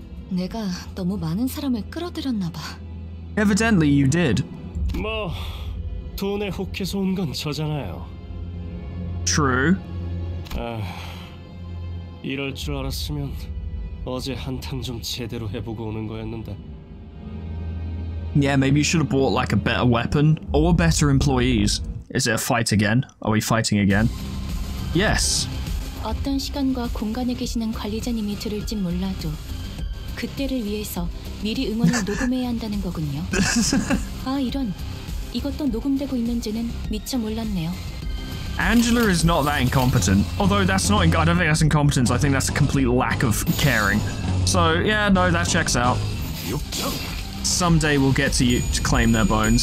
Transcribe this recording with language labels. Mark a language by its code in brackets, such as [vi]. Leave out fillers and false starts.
[ko] 내가 너무 많은 사람을 끌어들였나 봐. [en] Evidently, you did. [ko] 뭐, 돈에 혹해서 온 건 저잖아요. [en] True. [ko] 아, 이럴 줄 알았으면 어제 한탕 좀 제대로 해보고 오는 거였는데. [en] Yeah, maybe you should have bought like a better weapon or better employees. Is it a fight again? Are we fighting again? Yes. [ko] 어떤 시간과 공간에 계시는 관리자님이 들을진 몰라도 그때를 위해서 미리 응원을 녹음해야 한다는 거군요. 아 이런, 이것도 녹음되고 있는지는 미처 몰랐네요. [en] Angela is not that incompetent. Although that's not, I don't think that's incompetence. I think that's a complete lack of caring. So yeah, no, that checks out. Someday we'll get to you to claim their bones.